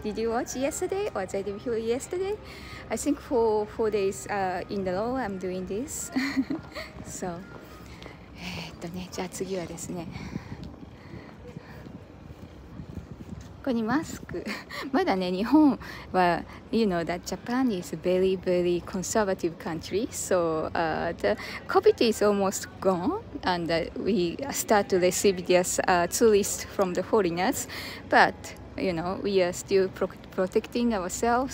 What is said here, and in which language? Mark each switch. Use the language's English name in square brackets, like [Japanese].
[English] Did you watch yesterday or did you hear yesterday? I think for 4 days、in the row I'm doing this. [Japanese] So ね、じゃあ次はですね、ここにマスク。まだね、日本は [English] You know that Japan is a very very conservative country. So、the COVID is almost gone and、we start to receive this、tourists from the foreigners. But you know, we are still protecting ourselves.